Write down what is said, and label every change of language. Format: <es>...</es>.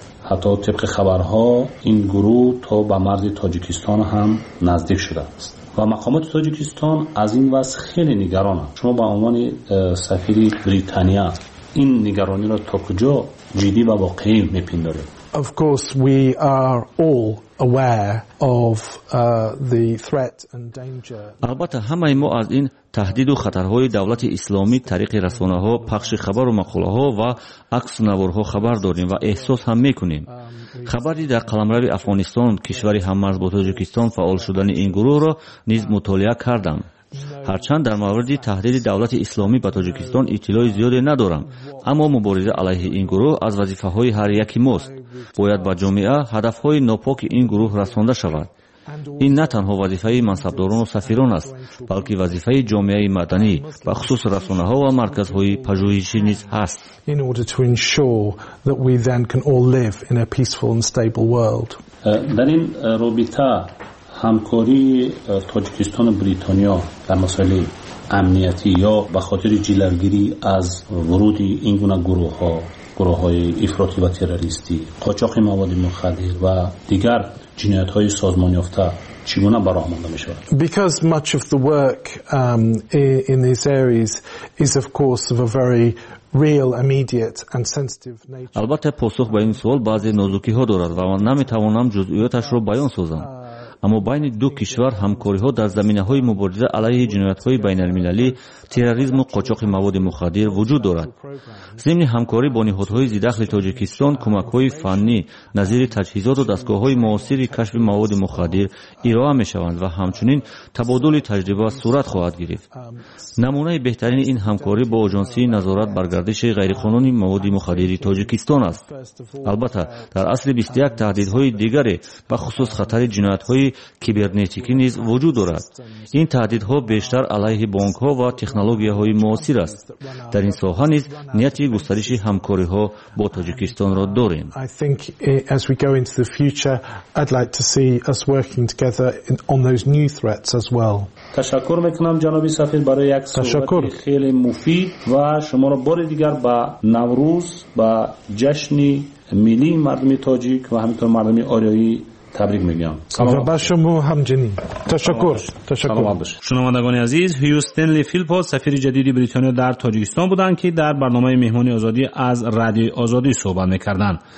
<fa>حتی طبق خبرها این گروه تا به مرز تاجیکستان هم نزدیک شده است و مقامات تاجیکستان از این وضع خیلی نگران هست. شما به عنوان سفیر بریتانیا این نگرانی را تا کجا جدی و واقعی می پندارید؟</fa> <en>Of course we are all aware of the threat and danger.</en> <fa>البته همه ما از این تهدید و خطرهای دولت اسلامی طریق رسانه ها، پخش خبر و مقاله ها و عکس نوارها خبر داریم و احساس هم میکنیم. خبری در قلمرو افغانستان کشوری هممرز با تاجیکستان فعال شدن این گروه را نیز مطالعه کردم. هرچند در مورد تهدید دولت اسلامی به تاجیکستان اطلاع زیاده ندارم، اما مبارزه علیه این گروه از وظیفه های هر یکی ماست. باید با جامعه هدف های ناپاک این گروه رسانده شود. این نه تنها وظیفه منصبداران و سفیران است، بلکه وظیفه جامعه مدنی و خصوص رسانه ها و مرکز های پژوهشی نیز هست.</fa> <en>In order to ensure that we then can all live in a peaceful and stable world.</en> <fa>در این رابطه همکاری تاجیکستان و بریتانیا در مسائل امنیتی یا به خاطر جلوگیری از ورود این گونه گروه های افراطی و تروریستی، قاچاق مواد مخدر و دیگر جنایت های سازمان یافته چگونه براه مانده می شود؟</fa> <en>Because much of the work in these areas is of course of a very real immediate and sensitive nature.</en> <fa>البته پاسخ به این سوال بعضی نازکی ها دارد و من نمی توانم جزئیاتش را بیان سازم، اما بین دو کشور همکاری ها در زمینه های مبارزه علیه جنایت های بین المللی، تروریسم و قاچاق مواد مخدر وجود دارد. ضمن همکاری با نهادهای ذی‌دخل تاجیکستان، کمک های فنی نظیر تجهیزات و دستگاه های معاصر کشف مواد مخدر ارائه می شوند و همچنین تبادل تجربه صورت خواهد گرفت. نمونه بهترین این همکاری با آژانس نظارت بر گردش غیرقانونی مواد مخدر تاجیکستان است. البته در اصل 21 تهدیدهای دیگر به خصوص خطر جنایت کیبرنتیکی نیز وجود دارد. این تهدیدها بیشتر علیه بانک ها و تکنولوژی های معاصر است. در این ساحه نیز نیت گسترش همکاری ها با تاجیکستان را داریم.</fa> <en>I think as we go into the future I'd like to see us working together on those new threats as well.</en> <fa>تشکر میکنم جناب سفیر برای یک صحبت خیلی مفید و شما را بار دیگر با نوروز با جشن ملی مردم تاجیک و همینطور مردم آریایی تبریک میگم. سلام به شما همجنین. تشکر. شنوندگان عزیز، هیو استنلی فیلپس سفیر جدید بریتانیا در تاجیکستان بودند که در برنامه مهمانی آزادی از رادیو آزادی صحبت میکردند.</fa>